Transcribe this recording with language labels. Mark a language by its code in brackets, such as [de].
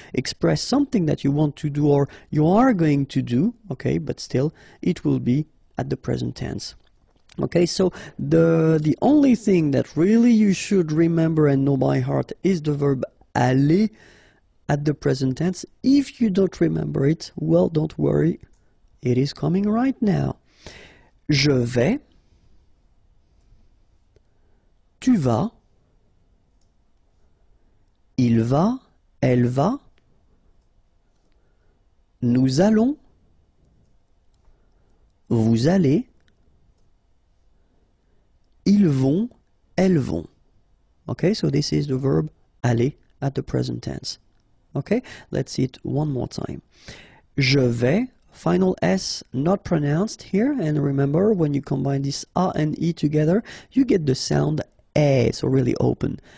[en] Express something that you want to do or you are going to do, okay, but still, it will be at the present tense. Okay, so the only thing that really you should remember and know by heart is the verb aller at the present tense. If you don't remember it, well, don't worry, it is coming right now. [fr] Je vais, tu vas, il va, elle va, nous allons, vous allez, ils vont, elles vont. [en] Okay, so this is the verb aller at the present tense. Okay, let's see it one more time. [fr] Je vais. [en] Final S not pronounced here, and remember when you combine this A and E together, you get the sound E, so really open.